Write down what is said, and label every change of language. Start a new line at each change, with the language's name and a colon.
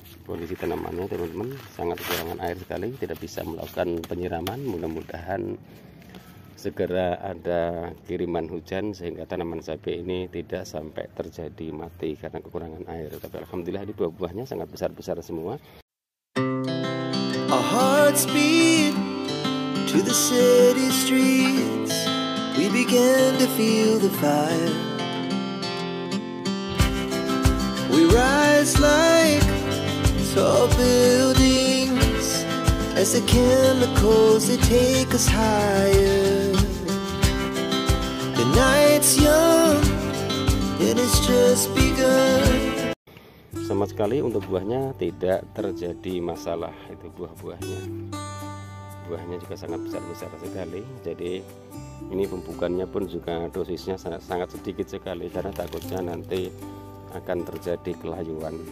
Indonesian: Kondisi tanamannya teman-teman sangat kekurangan air sekali, tidak bisa melakukan penyiraman. Mudah-mudahan segera ada kiriman hujan sehingga tanaman cabai ini tidak sampai terjadi mati karena kekurangan air. Tapi alhamdulillah ini buah-buahnya sangat besar-besar semua.
English: Our hearts beat to the city streets. We began to feel the fire. We rise like tall buildings as the chemicals they take us higher. The night's young and it's just begun.
Indonesian: Sama sekali untuk buahnya tidak terjadi masalah. Itu buah-buahnya. Buahnya juga sangat besar-besar sekali. Jadi ini pembukannya pun juga dosisnya sangat sedikit sekali karena takutnya nanti akan terjadi kelayuan.